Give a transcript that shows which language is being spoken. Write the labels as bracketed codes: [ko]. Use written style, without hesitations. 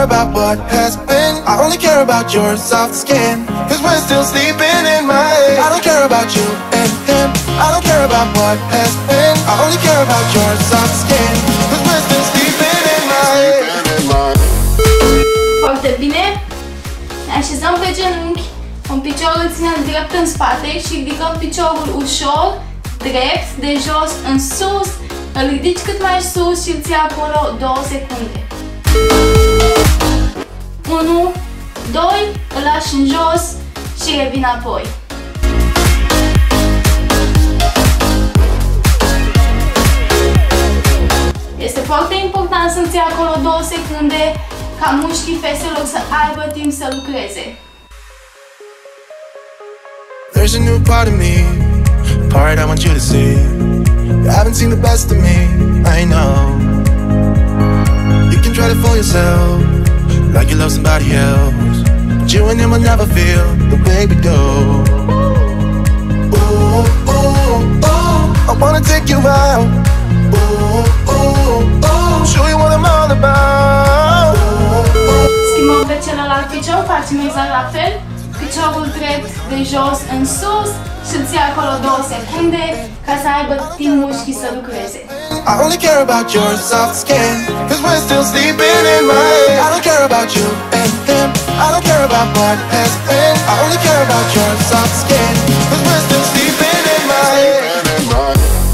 [en] What has been, I only care about your soft skin. Cause we're still sleeping in my head. I don't care about you and him. I don't care about what has been. I only care about your soft skin. Cause we're still sleeping in my head. [ro] Foarte bine. Ne așezăm pe genunchi. Un picior îl ținem drept în spate și ridicăm piciorul ușor, drept, de jos în sus, Ridici cât mai sus și îl ții acolo 2 secunde. 1, 2, îl lași în jos și revin apoi. Este foarte important să-l ții acolo 2 secunde ca mușchii feselor să aibă timp să lucreze. [en] There's a new part of me, part I want you to see. You haven't seen the best of me, I know. You can try to fool yourself like you love somebody else, but you and him will never feel the way we do. Ooh, ooh, ooh, I wanna take you out. Ooh, ooh, ooh, show you what I'm all about. [ro] Schimbăm pe celălalt picior, facem exact la fel. Piciorul drept de jos în sus și îl ții acolo 2 secunde ca să aibă timp mușchii să lucreze. [en] I only care about your soft skin, cause we're still sleeping in my head. I don't care about you and him, I don't care about what has been. I only care about your soft skin, cause we're still sleeping in my head.